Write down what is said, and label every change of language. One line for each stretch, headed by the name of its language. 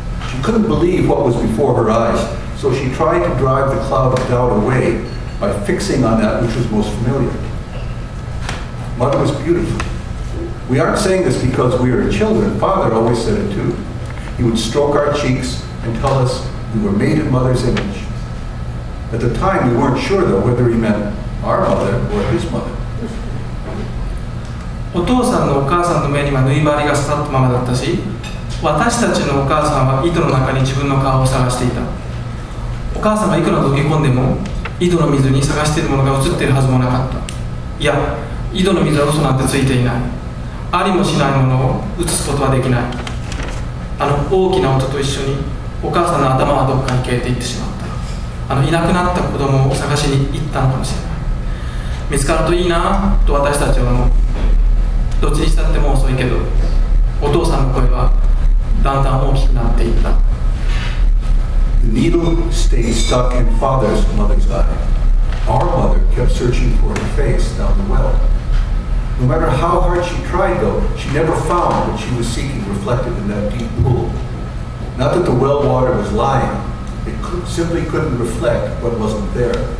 English: She couldn't believe what was before her eyes, so she tried to drive the cloud of doubt away by fixing on that which was most familiar. Mother was beautiful. We aren't saying this because we are children. Father always said it too. He would stroke our cheeks and tell us we were made in mother's image. At the time, we weren't sure though whether he meant our mother or his mother.
Japanese: お父さんのお母さんの目には縫い針が刺さったままだったし、私たちのお母さんは井戸の中に自分の顔を探していた。お母さんがいくら溶け込んでも井戸の水に探しているものが映っているはずもなかった。いや、井戸の水は嘘なんてついていない。ありもしないものを映すことはできない。あの大きな音と一緒にお母さんの頭はどこかに消えていってしまった。あのいなくなった子供を探しに行ったのかもしれない。見つかるといいなと私たちは思う。どっちにしたってもう遅いけど、お父さんの声はだんだん大きくなっていった。
English: The needle stayed stuck in father's mother's eye. Our mother kept searching for her face down the well. No matter how hard she tried though, she never found what she was seeking reflected in that deep pool. Not that the well water was lying, it simply couldn't reflect what wasn't there.